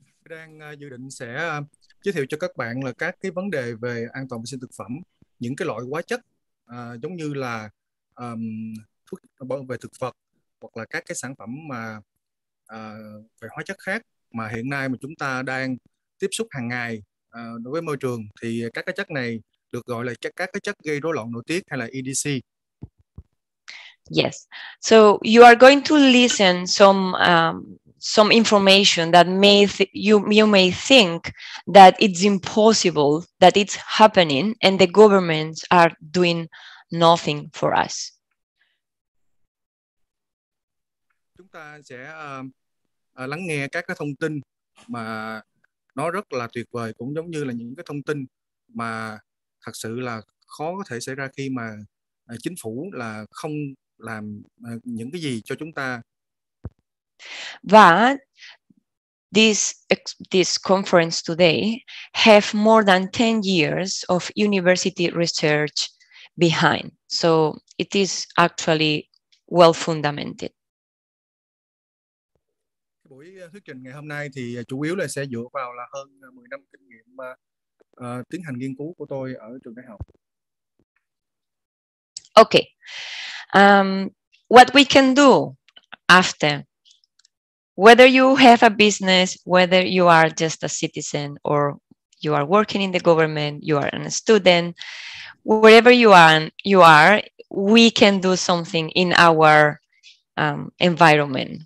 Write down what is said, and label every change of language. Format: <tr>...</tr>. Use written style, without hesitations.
<vi>Đang dự định sẽ giới thiệu cho các bạn là các cái vấn đề về an toàn vệ sinh thực phẩm, những cái loại hóa chất giống như là thuốc bảo vệ thực vật hoặc là các cái sản phẩm mà về hóa chất khác mà hiện nay mà chúng ta đang tiếp xúc hàng ngày đối với môi trường, thì các cái chất này được gọi là các cái chất gây rối loạn nội tiết hay là EDC.</vi> <en>Yes. So you are going to listen some some information that may you may think that it's impossible, that it's happening, and the governments are doing nothing for us.</en> <vi>Chúng ta sẽ lắng nghe các cái thông tin mà nó rất là tuyệt vời, cũng giống như là những cái thông tin mà thật sự là khó có thể xảy ra khi mà chính phủ là không làm những cái gì cho chúng ta.</vi> <en>But this conference today have more than 10 years of university research behind. So it is actually well fundamented.</en> <vi>Buổi thuyết trình ngày hôm nay thì chủ yếu là sẽ dựa vào là hơn 10 năm kinh nghiệm tiến hành nghiên cứu của tôi ở trường đại học.</vi> <en>Okay. What we can do after, whether you have a business, whether you are just a citizen or you are working in the government, you are a student, wherever you are, we can do something in our environment.</en>